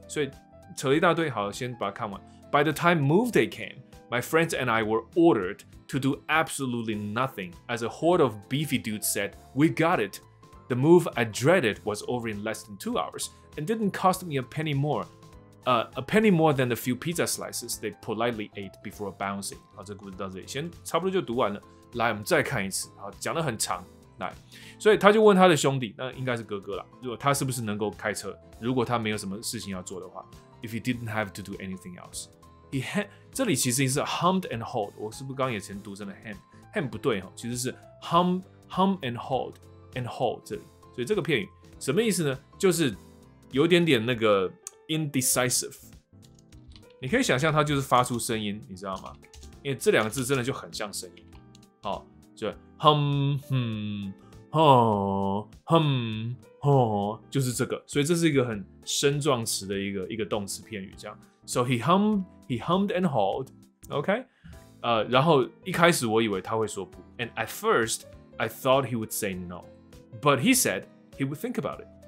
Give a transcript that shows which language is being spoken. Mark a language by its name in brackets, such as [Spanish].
[Chinese] 所以扯一大堆，好，先把它看完。 [English] By the time move day came, my friends and I were ordered to do absolutely nothing. As a horde of beefy dudes said, we got it. The move I dreaded was over in less than 2 hours. And didn't cost me a penny more than the few pizza slices they politely ate before bouncing. [Chinese] 好，这故事到这里先差不多就读完了。来，我们再看一次。好，讲得很长。来，所以他就问他的兄弟，那应该是哥哥了。如果他是不是能够开车？如果他没有什么事情要做的话 ， [English] if he didn't have to do anything else, he [Chinese] hem 这里其实是 hummed and hawed。我是不是刚刚也曾读成了 hem？hem 不对哈，其实是 hum and hawed。and haul 这里。所以这个片语什么意思呢？就是有点点那个 indecisive。你可以想象它就是发出声音，你知道吗？因为这两个字真的就很像声音。好，就 hum hum hum hum， 就是这个。所以这是一个很声状词的一个动词片语，这样。 [English] So he hummed and hawed. [Chinese] OK， 然后一开始我以为他会说不。 [English] And at first I thought he would say no, but he said he would think about it.